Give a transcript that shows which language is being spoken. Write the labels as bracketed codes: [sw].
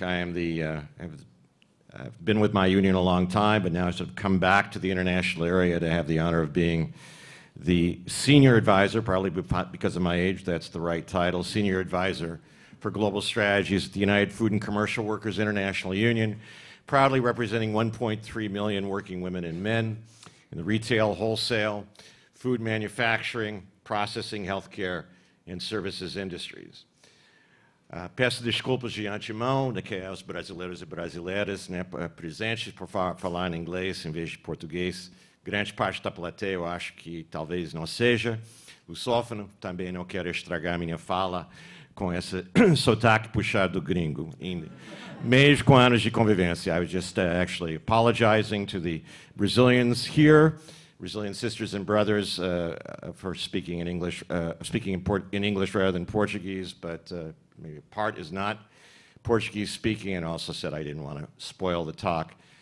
[en] I am the I've been with my union a long time, but now I sort of come back to the international area to have the honor of being the senior advisor, probably because of my age, that's the right title, senior advisor for global strategies at the United Food and Commercial Workers International Union, proudly representing 1.3 million working women and men in the retail, wholesale, food manufacturing, processing, healthcare, and services industries. [pt] Peço desculpas de antemão, de que os brasileiros e brasileiras, né, presentes por falar em inglês em vez de português. Grande parte da plateia, eu acho que talvez não seja lusófono, também não quero estragar minha fala com esse sotaque puxado do gringo, mesmo com anos de convivência. [en] I was just actually apologizing to the Brazilians here, Brazilian sisters and brothers, for speaking in English, in English rather than Portuguese, but maybe part is not Portuguese speaking, and also said I didn't want to spoil the talk.